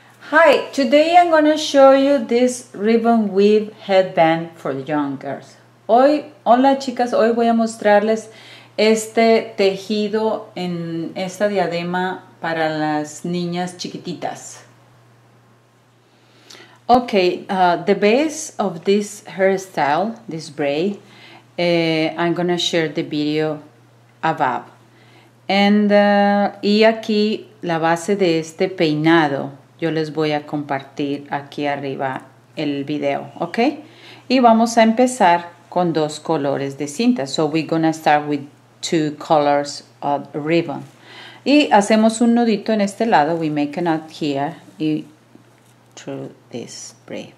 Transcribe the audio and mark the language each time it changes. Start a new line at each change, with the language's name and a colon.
English: Hi, today I'm going to show you this ribbon weave headband for young girls.
Spanish: Hola chicas, hoy voy a mostrarles este tejido en esta diadema para las niñas chiquititas.
English: Okay, the base of this hairstyle, this braid, I'm going to share the video above.
Spanish: Y aquí la base de este peinado. Yo les voy a compartir aquí arriba el video, ¿ok? Y vamos a empezar con dos colores de cinta.
English: So we're gonna start with two colors of ribbon.
Spanish: Y hacemos un nudito en este lado.
English: We make a knot here
Spanish: y
English: through this braid.